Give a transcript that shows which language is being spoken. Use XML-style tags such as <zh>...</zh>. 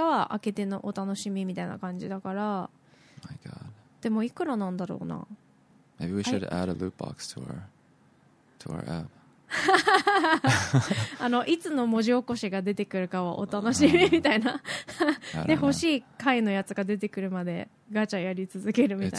<ja>だからいろんなのが入ってる箱がもらえて、中に何が入ってるかは開けてのお楽しみみたいな感じだから。</ja> <en>My god.</en> <ja>でもいくらなんだろうな。</ja> <en>Maybe we should add a loot box to our app.</en> <ja>あの、いつの文字起こしが出てくるかはお楽しみみたいな で、欲しい回のやつが出てくるまでガチャやり続けるみたいな。</ja>